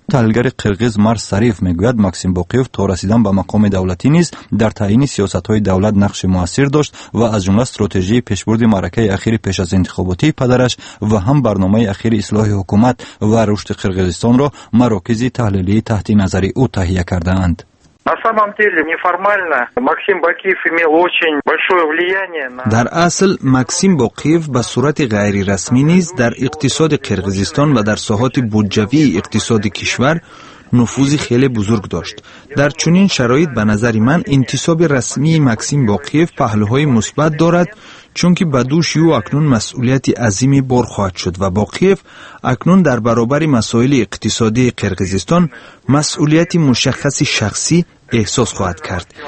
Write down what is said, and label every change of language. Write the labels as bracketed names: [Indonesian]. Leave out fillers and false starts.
[Persian] تحلیلگر قرقیز مرس صریف میگوید مکسیم باقیف تا رسیدن به مقام دولتی نیز در تعیین سیاست های دولت نقش موثر داشت و از جمله استراتژی پیشبرد معرکه اخیر پیش از انتخاباتی پدرش و هم برنامه اخیر اصلاح حکومت و رشد قرقیزستان را مراکز تحلیلی تحت نظر او تهیه کرده اند. [Russian] На самом деле, неформально Максим Бакиев имел очень большое влияние на [Persian] در اصل Максим Бакиев به صورت غیر رسمی نیز در اقتصاد قرقیزستان و در ساحات بودجوی اقتصاد کشور نفوذی خیلی بزرگ داشت. در چنین شرایط به نظر من انتصاب رسمی مکسیم باقیف پهلوهای مثبت دارد، چون که به دوش او اکنون مسئولیت عظیمی بار خواهد شد و باقیف اکنون در برابر مسائل اقتصادی قرقیزستان مسئولیت مشخص شخصی احساس خواهد کرد.